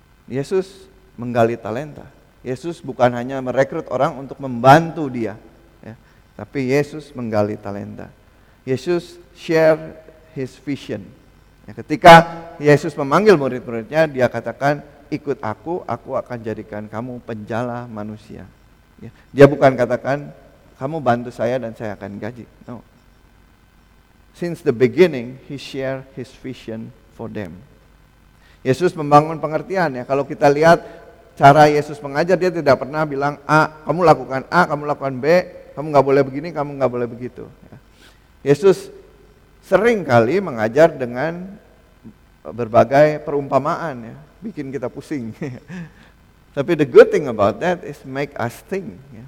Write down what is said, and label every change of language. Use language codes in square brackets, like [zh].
[id] Yesus menggali talenta. Yesus bukan hanya merekrut orang untuk membantu dia, ya, tapi Yesus menggali talenta. Yesus [en] share his vision. [id] Ya, ketika Yesus memanggil murid-muridnya, dia katakan, ikut aku akan jadikan kamu penjala manusia. Ya, dia bukan katakan, kamu bantu saya dan saya akan gaji. [en] No. Since the beginning, he share his vision for them. [id] Yesus membangun pengertian ya. Kalau kita lihat cara Yesus mengajar, dia tidak pernah bilang A, kamu lakukan A, kamu lakukan B, kamu nggak boleh begini, kamu nggak boleh begitu. Ya. Yesus sering kali mengajar dengan berbagai perumpamaan ya, bikin kita pusing. [en] Tapi the good thing about that is make us think, ya.